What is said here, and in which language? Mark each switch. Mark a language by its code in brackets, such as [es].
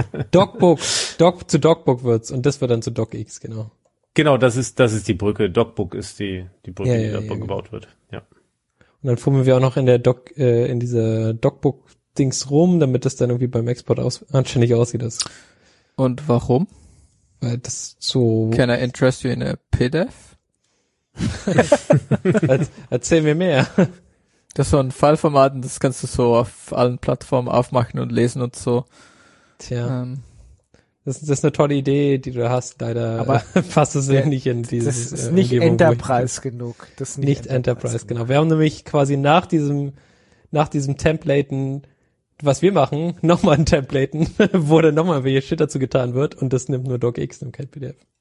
[de] DocBook. Doc zu DocBook wird's. Und das wird dann zu DocX, genau. Genau, das ist die Brücke. DocBook ist die Brücke, die da gebaut wird. Ja. Und dann fummeln wir auch noch in der Doc, in dieser DocBook-Dings rum, damit das dann irgendwie beim Export anständig aussieht. Das. Und warum? Weil das so. [en] Can I interest you in a PDF? [de] Erzähl mir mehr. Das ist so ein File-Format, das kannst du so auf allen Plattformen aufmachen und lesen und so. Tja. Das ist eine tolle Idee, die du hast, leider. Aber passt es ja nicht in dieses. Das ist nicht Umgebung, Enterprise genug. Das ist nicht Enterprise, genau. Wir haben nämlich quasi nach diesem Templaten, was wir machen, nochmal ein Templaten, wo dann nochmal welche Shit dazu getan wird und das nimmt nur DocX und kein PDF.